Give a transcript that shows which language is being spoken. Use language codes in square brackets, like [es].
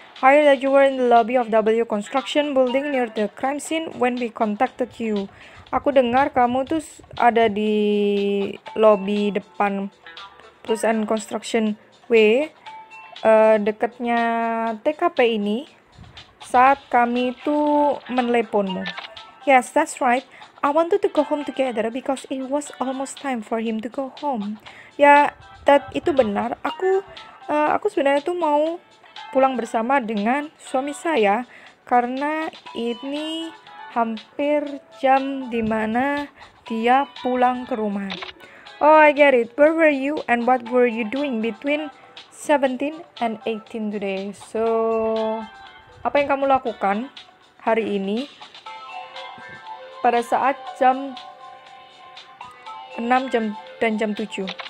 [en] I heard that you were in the lobby of W Construction Building near the crime scene when we contacted you. [id] Aku dengar kamu tuh ada di lobby depan perusahaan construction W dekatnya TKP ini saat kami tuh meneleponmu. [en] Yes, that's right. I wanted to go home together because it was almost time for him to go home. [id] Ya, itu benar. Aku sebenarnya tuh mau pulang bersama dengan suami saya karena ini hampir jam di mana dia pulang ke rumah. [en] Oh, I get it. Where were you and what were you doing between 17 and 18 today? [id] So, apa yang kamu lakukan hari ini pada saat jam 6 jam dan jam 7?